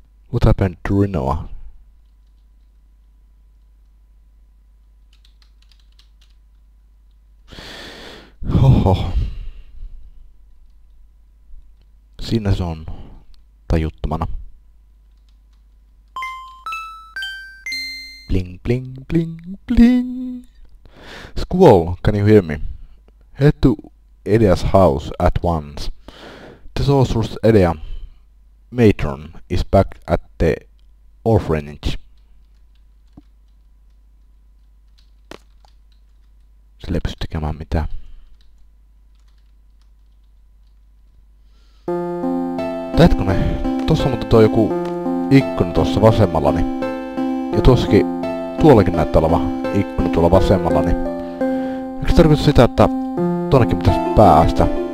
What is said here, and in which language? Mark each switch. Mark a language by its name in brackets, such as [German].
[English] What happened to Rinoa? Hoho. [Finnish] Siinä se on tajuttomana. [English] Bling, bling, bling, bling. Squall, can you hear me? Head to Edea's house at once. The sorceress Edea Matron is back at the orphanage. [Finnish] Sille ei pysty tekemään mitään. Tätkö me? Tossa on tuo joku ikkuna tuossa vasemmalla, niin ja tuossakin, tuollakin näyttää oleva ikkuna tuolla vasemmalla, niin eikö tarkoita sitä, että tuonnekin pitäisi päästä?